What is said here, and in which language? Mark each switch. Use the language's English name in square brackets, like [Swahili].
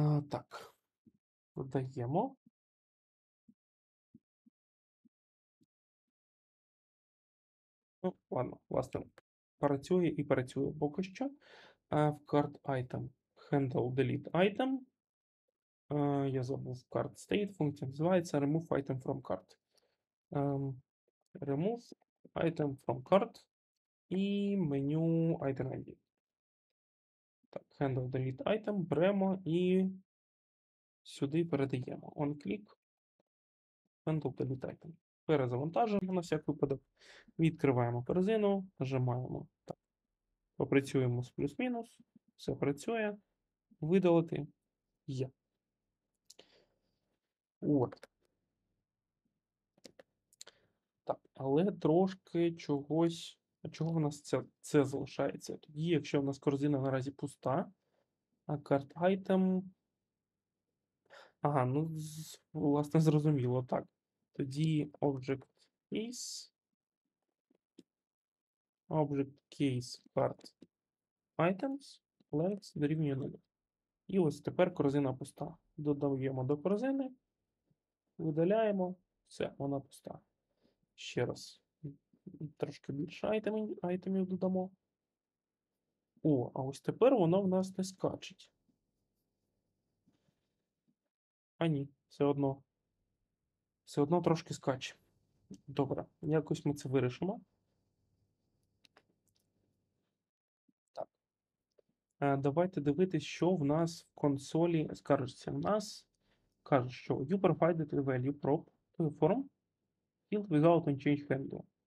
[Ukrainian] Так, додаємо. Ну, ладно, власне, працює і працює поки що. [English] В card item handle delete item. [Ukrainian] Я забув card state, функція називається remove item from card. [English] Remove item from card і меню item ID. [Ukrainian] Так, handle delete item, беремо і сюди передаємо. [English] On click, handle delete item. [Ukrainian] Перезавантажуємо на всяк випадок. Відкриваємо корзину, нажимаємо. Так. Попрацюємо з плюс-мінус. Все працює. Видалити. Є. От. Так, але трошки чогось. А чого в нас це залишається? Тоді, якщо в нас корзина наразі пуста, а card item. Ага, ну, власне, зрозуміло. Так. [English] Тоді object case. Object case card items. [Ukrainian] Length дорівнює 0. І ось тепер корзина пуста. Додаємо до корзини. Видаляємо. Все, вона пуста. Ще раз, трошки більше айтемів додамо. О, а ось тепер воно в нас не скачить. А ні, все одно трошки скаче. Добре, якось ми це вирішимо. Так. Давайте дивитися, що в нас в консолі скаржиться. В нас каже, що [English] you provided the value prop to the form field without unchanged handle.